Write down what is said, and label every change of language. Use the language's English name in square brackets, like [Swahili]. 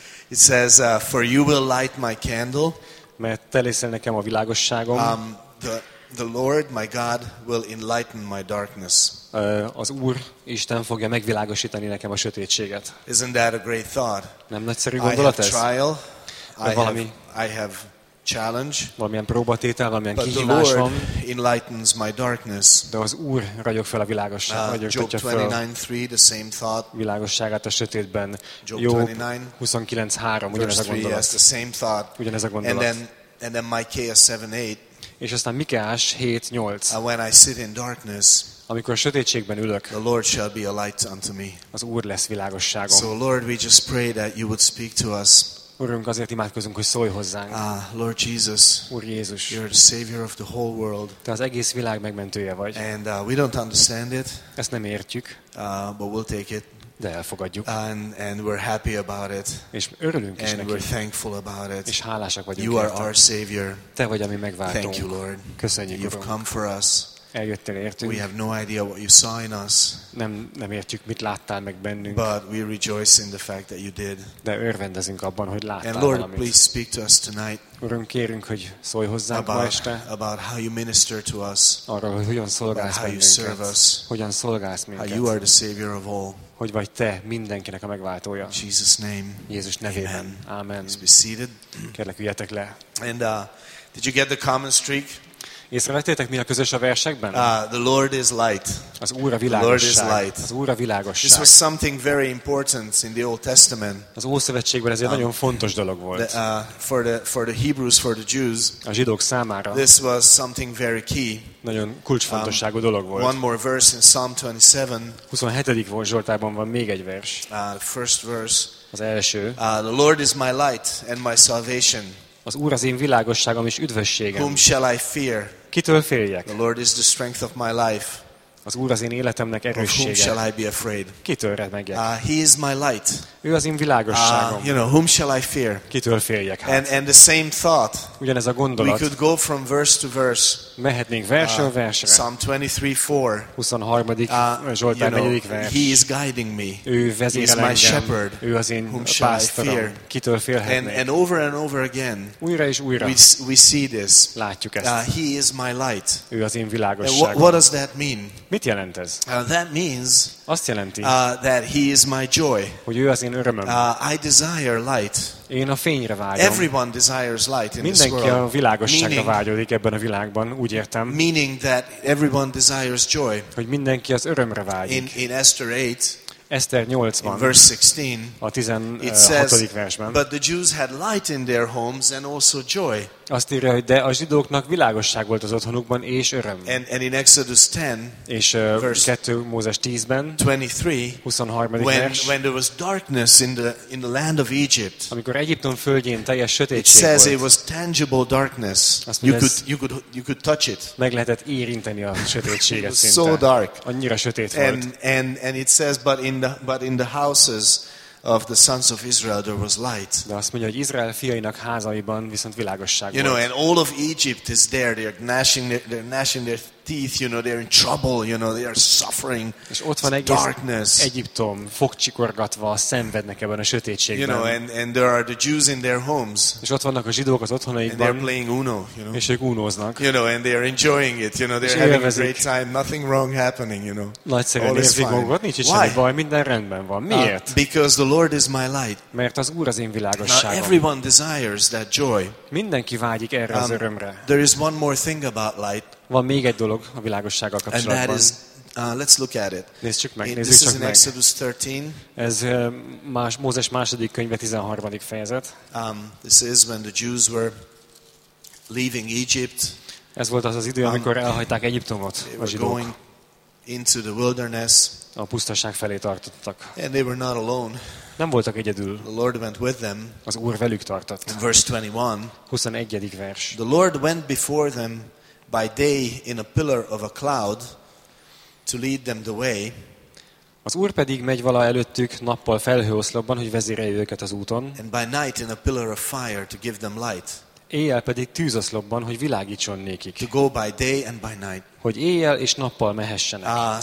[English] It says, for you will light my candle. [Hungarian] Mert te leszel nekem a világosságom. [English] The Lord, my God, will enlighten my darkness. [Hungarian] Az Úr Isten fogja megvilágosítani nekem a sötétséget. [English] Isn't that a great thought? [Hungarian] Nem nagyszerű gondolat ez? [English] I have trial. I have challenge. [Hungarian] Valamilyen próbatétel, valamilyen [English] but [Hungarian] kihívás [English] the Lord [Hungarian] van. [English] Enlightens my darkness. [Hungarian] De az Úr ragyog fel a világosságot. [English] Job 29:3, the same thought. [Hungarian] Világosságát a sötétben. Job 29:3, ugyanez a gondolat. [English] Yes, the same thought. [Hungarian] Ugyanez a gondolat. [English] And then Micah 7:8. [Hungarian] És aztán Mikeás 7:8. [English] When I sit in darkness, [Hungarian] amikor a sötétségben ülök, [English] the Lord shall be a light unto me. [Hungarian] Az Úr lesz világosságom. [English] So Lord, we just pray that you would speak to us. [Hungarian] Urunk, azért imádkozunk, hogy szólj hozzánk. [English] Lord Jesus, [Hungarian] Úr Jézus, [English] you're the savior of the whole world. [Hungarian] Te az egész világ megmentője vagy. [English] And we don't understand it. [Hungarian] Ezt nem értjük. [English] But we'll take it. [Hungarian] De elfogadjuk. [English] And we're happy about it. [Hungarian] És örülünk is [English] and [Hungarian] neki. [English] And we're thankful about it. [Hungarian] És hálásak vagyunk. [English] You are our savior. [Hungarian] Te vagy a mi megváltónk. [English] Thank you, Lord. [Hungarian] Köszönjük, Urunk. [English] You've come for us. [Hungarian] Eljöttél értünk. [English] We have no idea what you saw in us. [Hungarian] Nem értjük, mit láttál meg bennünk. [English] But we rejoice in the fact that you did. [Hungarian] De örvendezünk abban, hogy láttál valamit. [English] And Lord, [Hungarian] valamit. [English] Please speak to us tonight. [Hungarian] Urunk, kérünk, hogy szólj hozzánk ma este. [English] About how you minister to us. [Hungarian] Arról, hogy hogyan szolgálsz [English] about how [Hungarian] minket, [English] you serve us. [Hungarian] Hogyan szolgálsz minket. [English] How you are the savior of all. [Hungarian] Hogy vagy te mindenkinek a megváltója. [English] In Jesus name. [Hungarian] Jézus nevében. [English] Amen. Please be seated. [Hungarian] Kérlek, üljetek le. [English] And did you get the common streak? [Hungarian] Észrevettétek, mi a közös a versekben? [English] The Lord is light. [Hungarian] Az Úr a világosság. [English] The Lord is light. [Hungarian] Az Úr a világosság. [English] This was something very important in the Old Testament. [Hungarian] Az Ószövetségben ez egy nagyon fontos dolog volt. [English] For the Hebrews, for the Jews. [Hungarian] A zsidók számára. [English] This was something very key. [Hungarian] Nagyon kulcsfontosságú dolog volt. [English] One more verse in Psalm 27. [Hungarian] 27. Zsoltárban van még egy vers. [English] First verse. [Hungarian] Az első. [English] The Lord is my light and my salvation. [Hungarian] Az Úr az én világosságom és üdvösségem. [English] Whom shall I fear? [Hungarian] Kitől féljek? [English] The Lord is the strength of my life. [Hungarian] Az Úr az én életemnek erőssége. [English] Of whom shall I be afraid? [Hungarian] Kitől remegjek? [English] He is my light. [Hungarian] Ő az én világosságom. [English] You know, whom shall I fear? [Hungarian] Kitől féljek? [English] And the same thought. [Hungarian] Ugyanez a gondolat. [English] We could go from verse to verse. [Hungarian] Mehetnénk versről versre. [English] Psalm 23:4. [Hungarian] 23. Zsoltár 4. vers. [English] He is guiding me. [Hungarian] Ő vezet engem. [English] He is my shepherd. [Hungarian] Ő az én pásztorom. Kitől félhetnék? [English] And over and over again. [Hungarian] Újra és újra. [English] We see this. [Hungarian] Látjuk ezt. [English] He is my light. [Hungarian] Ő az én világosságom. [English] What does that mean? [Hungarian] Mit jelent ez? [English] That means [Hungarian] azt jelenti, [English] that he is my joy. [Hungarian] Hogy ő az én örömöm. [English] I desire light. [Hungarian] Én a fényre vágyom. [English] Everyone desires light in [Hungarian] mindenki [English] this world. [Hungarian] A világosságra [English] meaning, [Hungarian] vágyódik ebben a világban, úgy értem. [English] Meaning that everyone desires joy. [Hungarian] Hogy mindenki az örömre vágyik. [English] In Esther 8, [Hungarian] Eszter 8-ban, [English] verse 16, [Hungarian] a 16. versben. [English] But the Jews had light in their homes and also joy. [Hungarian] Azt írja, hogy de a zsidóknak világosság volt az otthonukban és öröm. [English] And in Exodus 10, [Hungarian] és verse 2 Mózes 10-ben, 23. [English] When there was darkness in the land of Egypt. [Hungarian] Amikor Egyiptom földjén teljes sötétség volt. [English] It says it was tangible darkness. You could touch it. [Hungarian] Meg lehetett érinteni a sötétséget szinte. [English] So dark. [Hungarian] Annyira sötét volt. [English] And it says but in the houses of the sons of Israel there was light. [Hungarian] De azt mondja, hogy Izrael fiainak házaiban viszont világosság volt. [English] You know, and all of Egypt is there, they're gnashing their teeth, you know, they're in trouble, you know, they are suffering. [Hungarian] És ott van egész Egyiptom fogcsikorgatva szenvednek ebben a sötétségben. [English] You know, and there are the Jews in their homes. [Hungarian] És ott vannak a zsidók az otthonaikban. [English] And they're playing Uno, you know. [Hungarian] És ők unoznak. [English] You know, and they are enjoying it, you know, they're having a great time, nothing wrong happening, you know. [Hungarian] Nagyszerűen érzik magukat, nincs semmi baj, minden rendben van. Miért? [English] Because the Lord is my light. [Hungarian] Mert az Úr az én világosságom. [English] Everyone desires that joy. [Hungarian] Mindenki vágyik erre az örömre. [English] There is one more thing about light. [Hungarian] Van még egy dolog a világossággal kapcsolatban. [English] And that is, let's look at it. [Hungarian] Nézzük meg, [English] Exodus 13. [Hungarian] Ez Mózes második könyve 13. fejezet. [English] This is when the Jews were leaving Egypt. [Hungarian] Ez volt az idő, amikor elhagyták Egyiptomot, a zsidók. [English] They were going into the wilderness. [Hungarian] A pusztaság felé tartottak. [English] And they were not alone. [Hungarian] Nem voltak egyedül. [English] The Lord went with them. [Hungarian] Az Úr velük tartott. [English] In verse 21. [Hungarian] 21. vers. [English] The Lord went before them by day in a pillar of a cloud to lead them the way. [Hungarian] Az Úr pedig megy vala előttük nappal felhőoszlopban, hogy vezérelje őket az úton. [English] And by night in a pillar of fire to give them light. [Hungarian] Éjjel pedig tűzoszlopban, hogy világítson nékik. [English] To go by day and by night. [Hungarian] Hogy éjjel és nappal mehessenek.